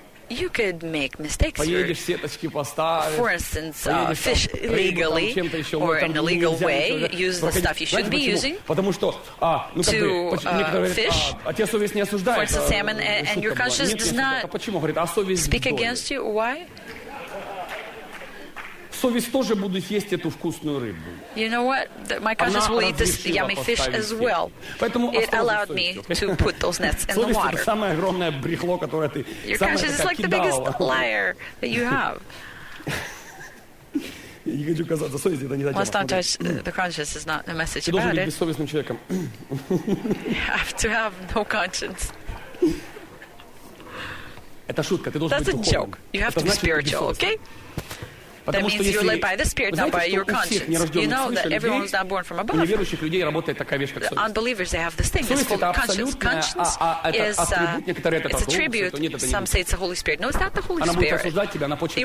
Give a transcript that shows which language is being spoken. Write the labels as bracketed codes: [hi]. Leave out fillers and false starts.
[en] You could make mistakes here. For instance, fish legally or in a legal way, use the stuff you should be using to fish. For instance, salmon, and your conscience does not speak against you. Why? [ru] Совесть тоже будет есть эту вкусную рыбу. [en] You know what? My conscience will eat this yummy fish as well. It allowed me to put those nets in the water. [ru] Совесть — это самое огромное брехло, которое ты самое такое кидало. [en] Your conscience is like the biggest liar that you have. [ru] Я не хочу казаться, совесть — это не та тема. [en] Must not touch the conscience is not a message about it. [ru] Ты должен быть бессовестным человеком. [en] You have to have no conscience. [ru] Это шутка, ты должен быть духовным. [en] That's a joke. You have to be spiritual, okay? That means you're led by the Spirit, not by your conscience. You know that everyone's not born from above. The unbelievers, they have this thing. It's called conscience. Conscience is a tribute. Some say it's the Holy Spirit. No, it's not the Holy Spirit. It